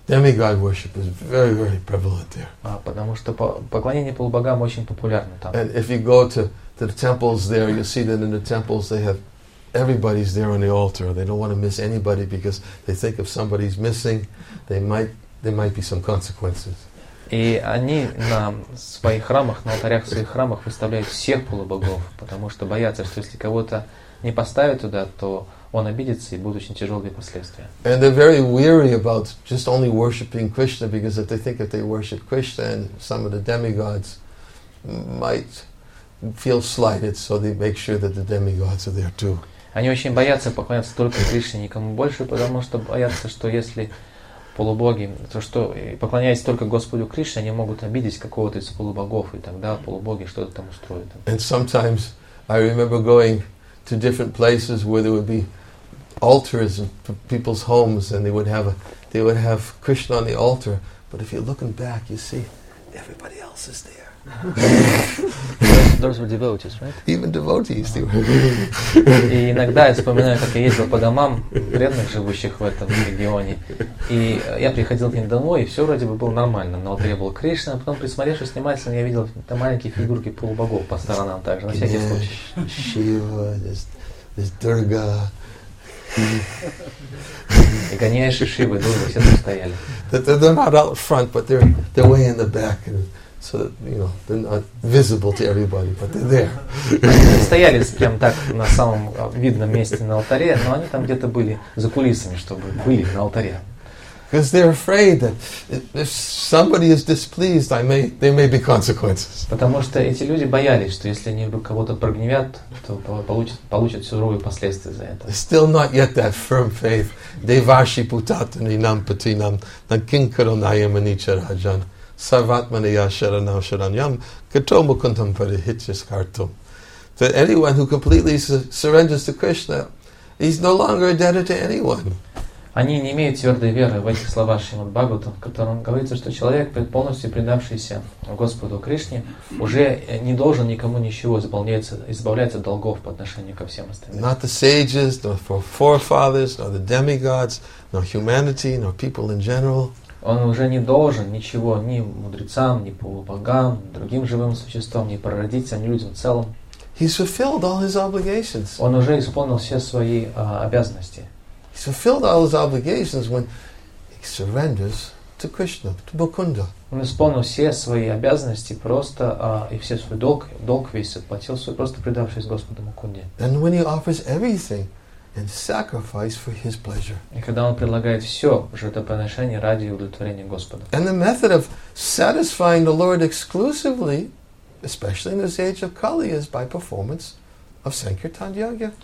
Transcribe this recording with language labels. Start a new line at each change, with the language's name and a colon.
English: Demigod worship is very, very prevalent there.
Russian: Потому что поклонение полубогам очень популярно там.
English: And if you go to the temples there, you see that in the temples they have everybody's there on the altar. They don't want to miss anybody because they think if somebody's missing, there might be some consequences.
Russian: И они на своих храмах, на алтарях своих храмах выставляют всех полубогов, потому что боятся, что если кого-то не поставят туда, то он обидится и будут очень тяжелые последствия.
English: And they're very weary about just only worshiping Krishna because if they think if they worship Krishna and some of the demigods might feel slighted, so they make sure that the demigods are there too.
Russian: Они очень боятся поклоняться только Кришне, никому больше, потому что боятся, что если полубоги, то что поклоняясь только Господу Кришне, они могут обидеть какого-то из полубогов, и тогда полубоги что-то там устроят.
English: And sometimes I remember going to different places where there would be altars in people's homes, and they would have Krishna on the altar. But if you're looking back, you see everybody else is there. Those were devotees, right? Even devotees, they were.
Russian: И иногда я вспоминаю, как я ездил по домам преданных, живущих в этом регионе. И я приходил к ним домой, и все вроде бы было нормально. На алтаре был Кришна, а потом, присмотревшись внимательно, я видел там маленькие фигурки полубогов по сторонам также, на всякий случай. Шива, здесь Дурга. И Ганеш, и Шива, Дурга, все там стояли.
English: They're not out front, but they're way in the back. So you know, they're not visible to everybody, but they're there.
Russian: Они стояли прям так на самом видном месте на алтаре, но они там где-то были за кулисами, чтобы были на алтаре.
English: Because they're afraid that if somebody is displeased, there may be consequences.
Russian: Потому что эти люди боялись, что если они кого-то прогневят, то получат суровые последствия за это.
English: Still not yet that firm faith.
Sanskrit: Devashi putatani nam patinam nankinkaranayam anicharajan. Sarvatmaniya sharanam sharanyam katomukuntam parihityas kartum.
English: That anyone who completely surrenders to Krishna, he's no longer a debtor to anyone.
Russian: Они не имеют твердой веры в эти слова Шримад Бхагаватам, в котором говорится, что человек, полностью предавшийся Господу Кришне, уже не должен никому ничего, избавляется от долгов по отношению ко всем остальным.
English: Not the sages, nor for forefathers, nor the demigods, nor humanity, nor people in general.
Russian: Он уже не должен ничего ни мудрецам, ни полубогам, другим живым существам, ни прародителям, ни людям в целом.
English: He's fulfilled all his obligations.
Russian: Он уже исполнил все свои обязанности.
English: He's fulfilled all his obligations when he surrenders to Krishna, to Bhukunda.
Russian: Он исполнил все свои обязанности просто и все свой долг весь оплатил свой, просто предавшись Господу Бхукунде.
English: And when he offers everything and sacrifice for his pleasure.
Russian: И когда он предлагает все жертвоприношение ради удовлетворения Господа.
English: And the method of satisfying the Lord exclusively, especially in this age of Kali, is by performance of Sankirtan Yagya.